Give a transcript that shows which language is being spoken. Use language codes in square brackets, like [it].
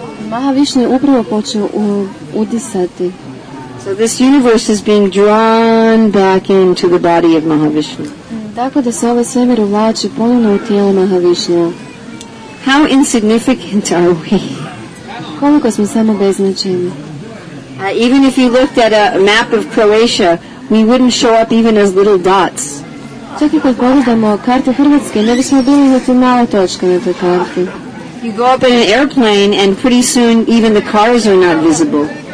[hr] Mahavishnu je upravo počeo udisati. [en] So this universe is being drawn back into the body of Mahavishnu. [hr] Tako da se ovaj svemir uvlači ponovno u tijelo Mahavishnu. [en] How insignificant are we? [hr] Koliko smo samo beznačajni. [en] Even if you looked at a map of Croatia, we wouldn't show up even as little dots. [hr] Čak i kad pogledamo karte Hrvatske, ne bismo bili na toj maloj točki na toj karti. [en] You go up in an airplane and pretty soon even the cars are not visible.